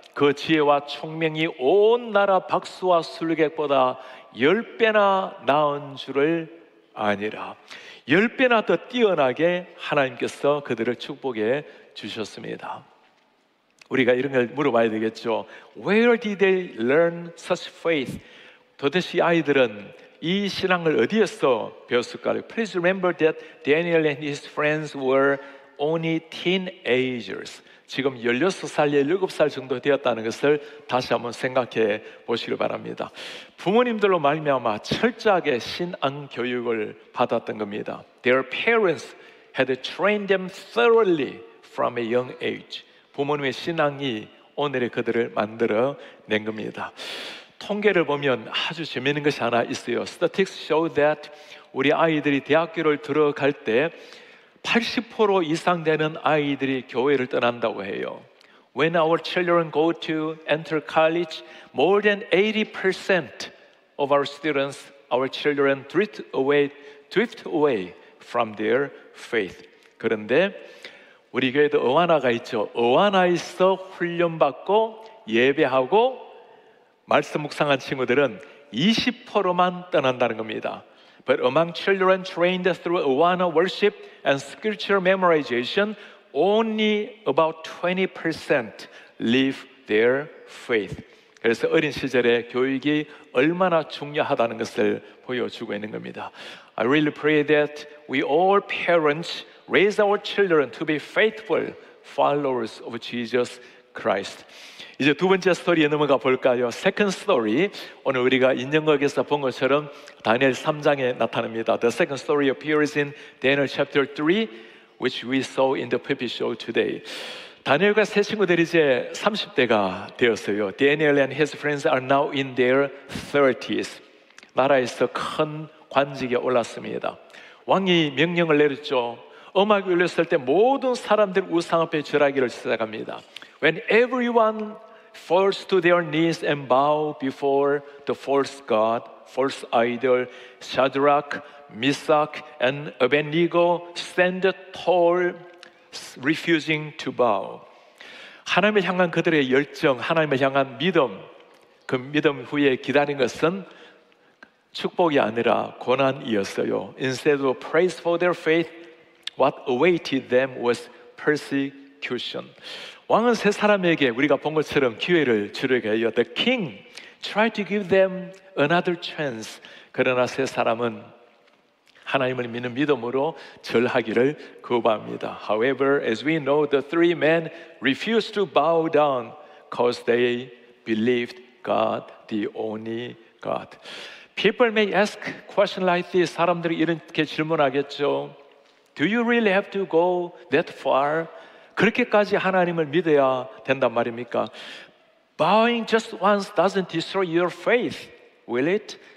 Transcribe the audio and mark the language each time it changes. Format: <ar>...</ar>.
<ko>그 지혜와 총명이 온 나라 박수와 술객보다 10배나 나은 줄을 아니라. 10배나 더 뛰어나게 하나님께서 그들을 축복해 주셨습니다. 우리가 이런 걸 물어봐야 되겠죠.</ko> <en>Where did they learn such faith?</en> <ko>도대체 아이들은 이 신앙을 어디에서 배웠을까요?</ko> <en>Please remember that Daniel and his friends were only teenagers.</en> <ko>지금 16살, 17살 정도 되었다는 것을 다시 한번 생각해 보시길 바랍니다. 부모님들로 말미암아 철저하게 신앙 교육을 받았던 겁니다.</ko> <en>Their parents had trained them thoroughly from a young age.</en> <ko>부모님의 신앙이 오늘의 그들을 만들어낸 겁니다. 통계를 보면 아주 재미있는 것이 하나 있어요.</ko> <en>Statistics show that</en> <ko>우리 아이들이 대학교를 들어갈 때 80% 이상 되는 아이들이 교회를 떠난다고 해요.</ko> <en>When our children go to enter college, more than 80% of our students, our children drift away from their faith.</en> <ko>그런데 우리 교회도 어완아가 있죠. 어완아에서 훈련받고 예배하고 말씀 묵상한 친구들은 20%만 떠난다는 겁니다.</ko> <en>But among children trained through Awana worship and scripture memorization, only about 20% live their faith.</en> <ko>그래서 어린 시절에 교육이 얼마나 중요하다는 것을 보여주고 있는 겁니다.</ko> <en>I really pray that we all parents raise our children to be faithful followers of Jesus Christ.</en> <ko>이제 두 번째 스토리에 넘어가 볼까요?</ko> <en>Second story,</en> <ko>오늘 우리가 인연극에서 본 것처럼 다니엘 3장에 나타납니다.</ko> <en>The second story appears in Daniel chapter 3, which we saw in the PP show today.</en> <ko>다니엘과 세 친구들이 이제 30대가 되었어요.</ko> <en>Daniel and his friends are now in their 30s.</en> <ko>나라에서 큰 관직에 올랐습니다. 왕이 명령을 내렸죠. 음악이 울렸을 때 모든 사람들 우상 앞에 절하기를 시작합니다.</ko> <en>When everyone falls to their knees and bow before the false god, false idol, Shadrach, Meshach, and Abednego stand tall, refusing to bow.</en> <ko>하나님을 향한 그들의 열정, 하나님을 향한 믿음, 그 믿음 후에 기다린 것은 축복이 아니라 고난이었어요.</ko> <en>Instead of praise for their faith, what awaited them was persecution.</en> <ko>왕은 세 사람에게 우리가 본 것처럼 기회를 주려고 해요.</ko> <en>The king tried to give them another chance.</en> <ko>그러나 세 사람은 하나님을 믿는 믿음으로 절하기를 거부합니다.</ko> <en>However, as we know, the three men refused to bow down because they believed God, the only God. People may ask questions like this.</en> <ko>사람들이 이렇게 질문하겠죠.</ko> <en>Do you really have to go that far?</en> <ko>그렇게까지 하나님을 믿어야 된단 말입니까?</ko> <en>Bowing just once doesn't destroy your faith, will it?</en>